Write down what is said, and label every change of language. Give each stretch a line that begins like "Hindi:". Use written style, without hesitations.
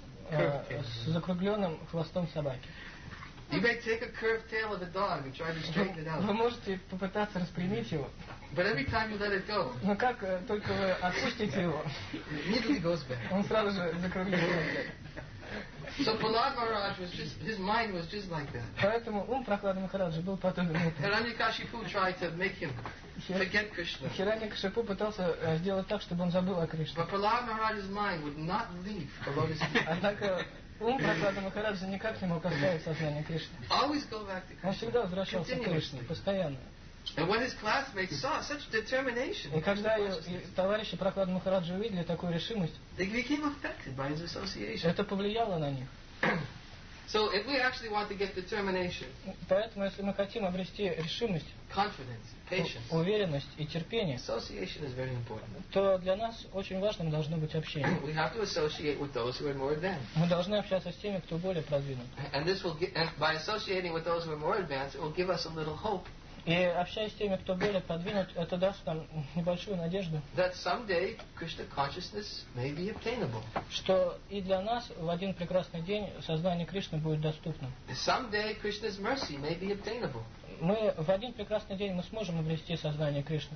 Russian: С закругленным хвостом собаки.
English: You may take a curved tail of a dog and try to straighten it out.
Russian: Вы можете попытаться распрямить его.
English: But every time you let it go.
Russian: Но как только вы отпустите его,
English: immediately goes back.
Russian: Он сразу же закругляется.
English: So Prahlad Maharaj was just, his mind was just like that.
Russian: Поэтому ум Прохлады Махараджи был подобен этому.
English: Hiranyakashipu tried to make him forget Krishna.
Russian: Hiranyakashipu пытался сделать так, чтобы он забыл о Кришне.
English: But Prahlad Maharaj's mind would not leave the lotus feet.
Russian: Однако ум Прохлады Махараджи никак не мог оставить сознание Кришны.
English: Always go back to Krishna.
Russian: Он всегда возвращался к Кришне постоянно.
English: And when his classmates saw such determination,
Russian: и когда товарищи Прохлады Махараджи увидели такую решимость,
English: they became affected by his association.
Russian: Это повлияло на них.
English: So if we actually want to get determination,
Russian: поэтому если мы хотим обрести решимость,
English: confidence, patience,
Russian: уверенность и терпение,
English: association is very important.
Russian: То для нас очень важным должно быть общение.
English: We have to associate with those who are more advanced.
Russian: Мы должны общаться с теми, кто более продвинут.
English: And this will get, and by associating with those who are more advanced, it will give us a little hope.
Russian: И общаясь с теми, кто более продвинут, это даст нам небольшую надежду,
English: that someday Krishna consciousness may be obtainable.
Russian: Что и для нас в один прекрасный день сознание Кришны будет доступно.
English: Someday Krishna's mercy may be obtainable.
Russian: Мы в один прекрасный день мы сможем обрести сознание Кришны.